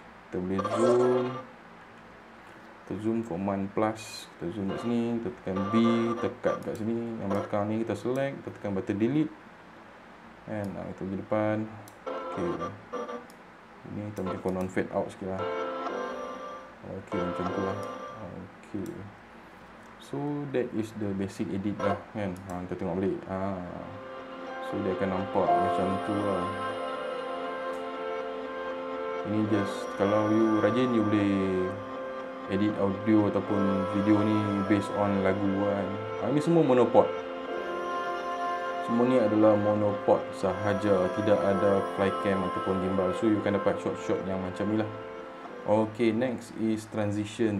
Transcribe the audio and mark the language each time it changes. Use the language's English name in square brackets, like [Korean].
[Malay] Kita boleh zoom, kita zoom command plus, kita zoom kat sini, kita tekan B, tekat kat sini, yang belakang ni kita select, kita tekan button delete, [English] and now [Malay] kita pergi depan. Okay, ini kita boleh kena on fade out sikit lah. Okay, macam tu lah. [English] Okay, so that is the basic edit lah kan. [Malay] Ha, kita tengok balik. Ha, so dia akan nampak macam tu lah. Ini just, kalau you rajin, you boleh edit audio ataupun video ni [English] based on [Malay] lagu kan. Ha, ini semua monopod. Semua ni adalah monopod sahaja. Tidak ada flycam ataupun gimbal. So you akan dapat shot-shot yang macam ni lah. [English] Okay, next is transition.